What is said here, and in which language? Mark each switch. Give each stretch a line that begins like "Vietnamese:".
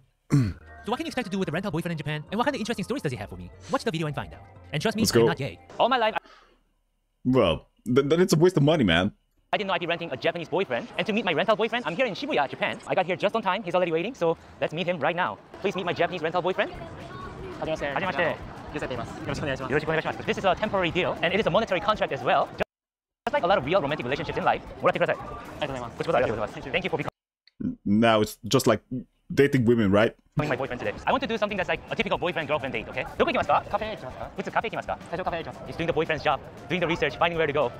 English: So what can you expect to do with a rental boyfriend in Japan? And what kind of interesting stories does he have for me? Watch the video and find out. And trust me, let's go. I'm not gay. All my life, well, then it's a waste of money, man. I didn't know I'd be renting a Japanese boyfriend. And to meet my rental boyfriend, I'm here in Shibuya, Japan. I got here just on time. He's already waiting. So let's meet him right now. Please meet my Japanese rental boyfriend.
Japanese: はじめまして。はじめまして。よろしくお願いします。
English: This is a temporary deal, and it is a monetary contract as well. Just like a lot of real romantic relationships in life.
Japanese: もらってください。ありがとうございます。こちらこそありがとうございます。
English: Thank you for becoming. Now it's just like dating women, right? Meeting my boyfriend today. I want to do something that's like a typical boyfriend-girlfriend date, okay?
Japanese: どこ行きますか? カフェ行きますか? うつカフェ行きますか? 最初カフェ行きます。
English: He's doing the boyfriend's job, doing the research, finding where to go.